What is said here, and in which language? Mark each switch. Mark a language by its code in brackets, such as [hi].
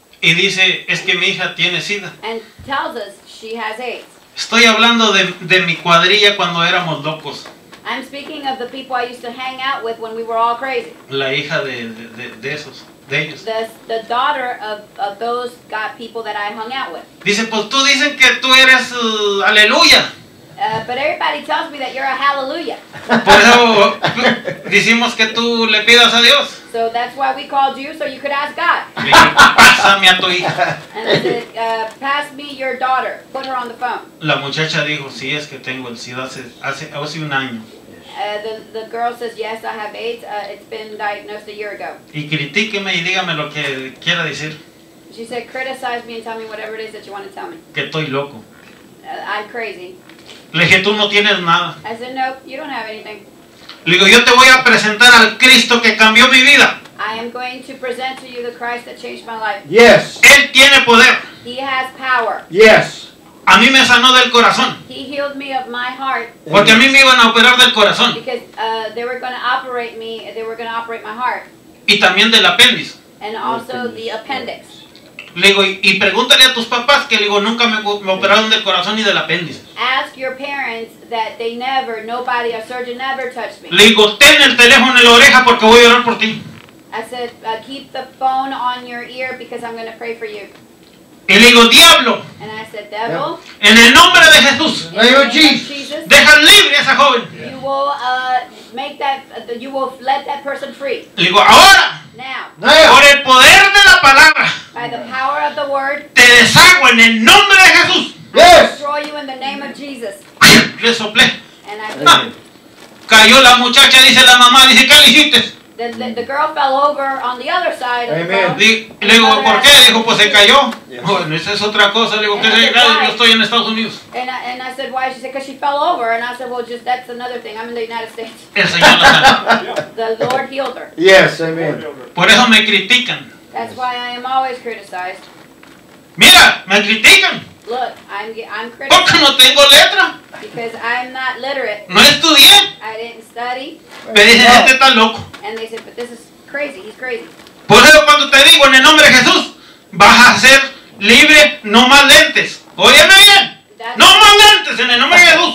[es] Y dice, es que mi hija tiene SIDA. [en] And tells us she has AIDS. [es] Estoy hablando de mi cuadrilla cuando éramos locos. [en] I'm speaking of the people I used to hang out with when we were all crazy. [es] La hija de esos, de ellos. [en] The daughter of those God people that I hung out with. [es] Dice, pues tú dicen que tú eres aleluya. [en] But everybody tells me that you're a hallelujah. [es] Por eso decimos que tú le pidas a Dios. [en] So that's why we called you, so you could ask God. [es] Pásame a tu hija. [en] And I said, pass me your daughter. Put her on the phone. [es] La muchacha dijo, sí, es que tengo el SIDA hace un año. [en] The girl says, yes, I have AIDS. It's been diagnosed a year ago. [es] Y critíqueme y dígame lo que quiera decir. [en] She said, criticize me and tell me whatever it is that you want to tell me. [es] Que estoy loco. [en] I'm crazy. [es] Le dije, tú no tienes nada. [en] I said, no, you don't have anything. [es] Le digo, yo te voy a presentar al Cristo que cambió mi vida. [en] I am going to present to you the Christ that changed my life. Yes. [es] Él tiene poder. [en] He has power. Yes. [es] A mí me sanó del corazón. [en] He healed me of my heart. [es] Porque a mí me iban a operar del corazón. [en] Because they were going to operate me, they were going to operate my heart. [es] Y también del apéndice. [en] And also the appendix. [es] Le digo, y pregúntale a tus papás que le digo, nunca me operaron del corazón ni del apéndice. [en] Ask your parents that they never, nobody, a surgeon never touched me. [es] Le digo, ten el teléfono en la oreja porque voy a orar por ti. [en] I said, keep the phone on your ear because I'm going to pray for you. [es] Y le digo, diablo. [en] And I said, devil. [es] En el nombre de Jesús. [en] In the name of Jesus. [es] Deja libre a esa joven. [en] Yeah. You will make that, you will let that person free. [es] Le digo, ahora. [en] Now. [es] Por el poder de la palabra. [en] By the power of the word. [es] Te deshago en el nombre de Jesús. [en] Yes. I destroy you in the name of Jesus. [es] Le soplé. [en] And I [es] cayó la muchacha, dice la mamá, dice, ¿qué le hiciste? [en] The girl fell over on the other side. Amen. Of the phone. [es] Le digo, ¿por qué? Dijo, pues se cayó. Yes. Bueno, esa es otra cosa. Le digo, ¿qué se cayó? Yo estoy en Estados Unidos. [en] And I said, why? She said, because she fell over. And I said, well, just that's another thing. I'm in the United States. [es] El Señor la sanó. [en] The Lord healed her. Yes, amen. [es] Por eso me critican. [en] That's why I am always criticized. [es] Mira, me critican. [en] Look, I'm criticized. [es] Porque no tengo letra. [en] Because I'm not literate. [es] No estudié. [en] I didn't study. [es] Me dicen, este está loco. [en] And they said, but this is crazy, he's crazy. [es] Por eso cuando te digo en el nombre de Jesús, vas a ser libre, no más lentes. Óyeme bien. No más lentes en el nombre de Jesús.